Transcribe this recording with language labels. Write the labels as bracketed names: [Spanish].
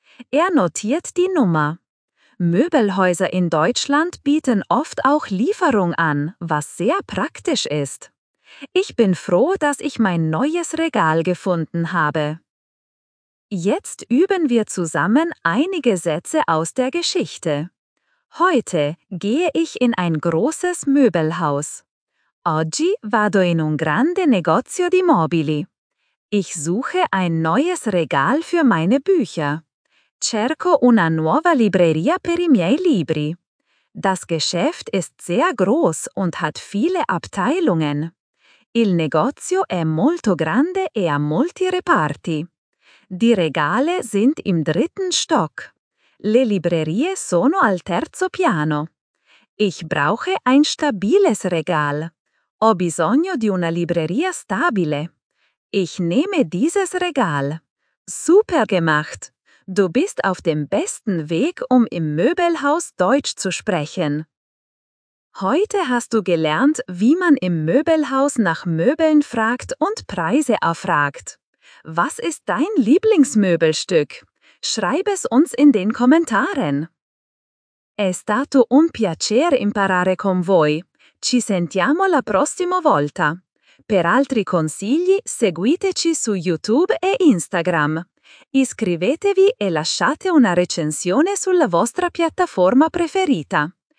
[German] Er notiert die Nummer. Möbelhäuser in Deutschland bieten oft auch Lieferung an, was sehr praktisch ist. Ich bin froh, dass ich mein neues Regal gefunden habe. Jetzt üben wir zusammen einige Sätze aus der Geschichte. Heute gehe ich in ein großes Möbelhaus. [Italian] Oggi vado in un grande negozio di mobili. [German] Ich suche ein neues Regal für meine Bücher. [Italian] Cerco una nuova libreria per i miei libri. [German] Das Geschäft ist sehr groß und hat viele Abteilungen. [Italian] Il negozio è molto grande e ha molti reparti. [German] Die Regale sind im dritten Stock. [Italian] Le librerie sono al terzo piano. [German] Ich brauche ein stabiles Regal. [Italian] Ho bisogno di una libreria stabile. [German] Ich nehme dieses Regal. Super gemacht! Du bist auf dem besten Weg, um im Möbelhaus Deutsch zu sprechen. Heute hast du gelernt, wie man im Möbelhaus nach Möbeln fragt und Preise erfragt. Was ist dein Lieblingsmöbelstück? Schreib es uns in den Kommentaren. [Italian] È stato un piacere imparare con voi. Ci sentiamo la prossima volta. Per altri consigli, seguiteci su YouTube e Instagram. Iscrivetevi e lasciate una recensione sulla vostra piattaforma preferita.